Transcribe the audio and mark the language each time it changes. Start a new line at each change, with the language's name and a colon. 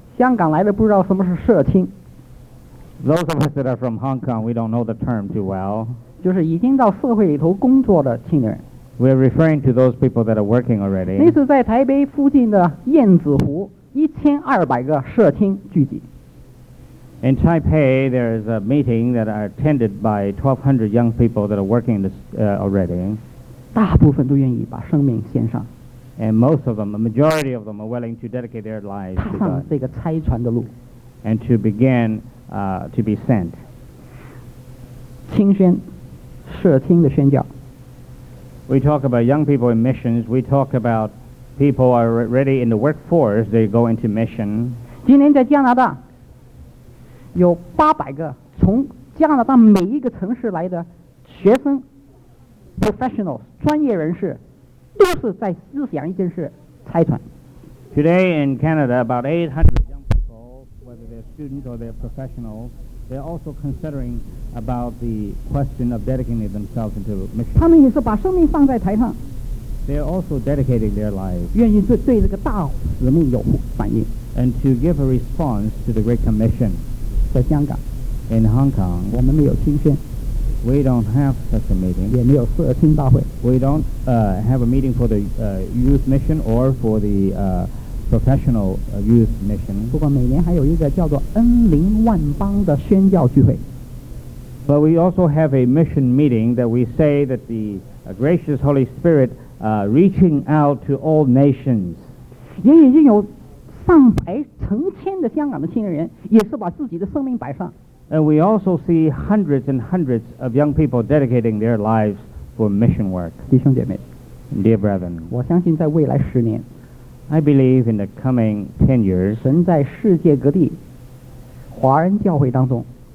Chinese: 香港来的不知道什么是社青
English: Those of us that are from Hong Kong, we don't know the term too well.
Chinese: 就是已经到社会里头工作的青年人
English: We're referring to those people that are working already.
Chinese: 那是在台北附近的燕子湖1200个社青聚集。
English: In Taipei, there is a meeting that are attended by 1,200 young people that are working this, already.
Chinese: 大部分都愿意把生命献上。
English: And most of them, the majority of them, are willing to dedicate their lives to God.
Chinese: 踏上这个差传的路。
English: And to begin, to be sent.
Chinese: 青宣，社青的宣教。
English: We talk about young people in missions. We talk about people are already in the workforce. They go into mission.
Chinese: 今年在加拿大有800个从加拿大每一个城市来的学生 professionals 专业人士都是在思想一件事拆团。
English: Today in Canada, about 800 young people, whether they're students or they're professionals. They're also considering about the question of dedicating themselves into mission.
Chinese: 他们也是把生命放在台上。
English: They're also dedicating their lives.
Chinese: 愿意对这个大使命有反应。
English: And to give a response to the Great Commission.
Chinese: 在香港。
English: In Hong Kong.
Chinese: 我们没有青宣。
English: We don't have such a meeting.
Chinese: 也没有社青大会。
English: We don't have a meeting for the youth mission or for the professional youth mission.
Chinese: 不过每年还有一个叫做恩灵万邦的宣教聚会。
English: But we also have a mission meeting that we say that the gracious Holy Spirit reaching out to all nations.
Chinese: 也已经有上百成千的香港的青年人也是把自己的生命摆上。
English: And we also see hundreds and hundreds of young people dedicating their lives for mission work.
Chinese: 弟兄姐妹。
English: Dear brethren.
Chinese: 我相信在未来十年
English: I believe in the coming 10 years,
Chinese: 神在世界各地华人教会当中